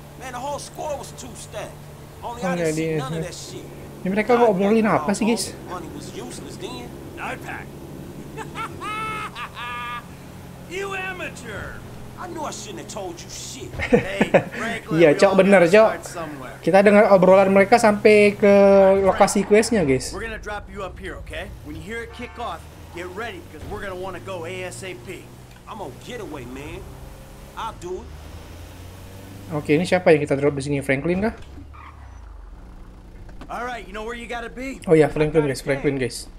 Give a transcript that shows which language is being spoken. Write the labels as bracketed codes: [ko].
[en] Man, the whole score was 2 stacks. Only I didn't see none of that shit. [id] Mereka ngobrolin apa sih, guys? [en] Money was useless then. Nightpack. You amateur. I knew I shouldn't have told you shit. Hey, Franklin. Iya, cok, bener, cok. [id] Kita dengar obrolan mereka sampai ke lokasi questnya, guys. [en] We're gonna drop you up here, okay? When you hear it kick off, get ready because we're gonna wanna go ASAP. I'm on getaway, man. I'll do it. [id] Oke, ini siapa yang kita drop di sini, Franklin kah? [en] All right, you know where you gotta be. [id] Oh ya, Franklin guys, Franklin guys.